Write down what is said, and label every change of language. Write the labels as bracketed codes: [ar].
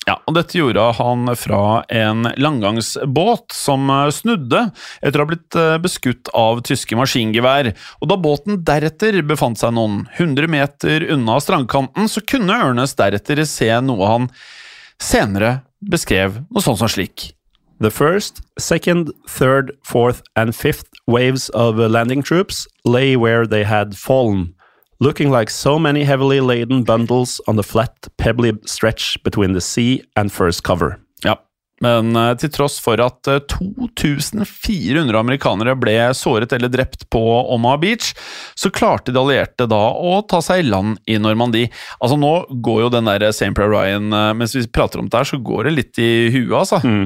[no] Ja, og dette gjorde han fra en landgangsbåt som snudde etter å ha blitt beskutt av tyske maskingevær. Og da båten deretter befant seg noen 100 meter unna strandkanten, så kunne Ernest deretter se noe han senere beskrev noe sånn som slik. [en] The first, second, third, fourth, and fifth waves of landing troops lay where they had fallen, looking like so many heavily laden bundles on the flat, pebbly stretch between the sea and first cover. [no] Ja, men til tross for at 2400 amerikanere ble såret eller drept på Omaha Beach, så klarte de allierte da å ta seg i land i Normandie. Altså nå går jo den der St. Pierre Ryan, mens vi prater om det her, så går det litt i huet, altså. Mm.